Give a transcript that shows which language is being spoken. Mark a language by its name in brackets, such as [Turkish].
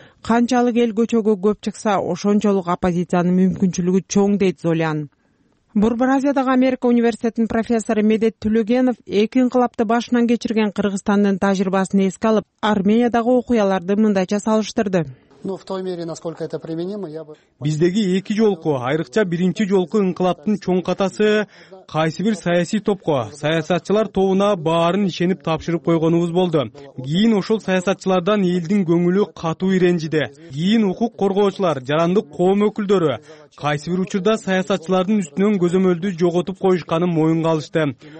[Kyrgyz] Канчалык эл көчөгө көп чыкса, ошончолук оппозициянын мүмкүнчүлүгү чоң, дейт Золян. Бурбразиядагы Америка университетинин профессору Медет Түлөгенов эки инкылапты башынан кечирген Кыргызстандын тажрыйбасын эске алып, Армениядагы окуяларды мындайча салыштырды. [Russian] В той мере, насколько это применимо, я бы... [Kyrgyz] Биздеги эки жолку, айрыкча биринчи жолку инкылаптын чоң катасы кайсы бир саясий топко, саясатчылар тобуна баарын ишенип тапшырып койгонубуз болду. Кийин ошол саясатчылардан элдин көңүлү катуу иренжиде. Кийин укук коргоочулар, жарандык коом өкүлдөрү кайсы бир учурда саясатчылардын үстүнөн көзөмөлдү жоготуп коюшканын моюнга алышты.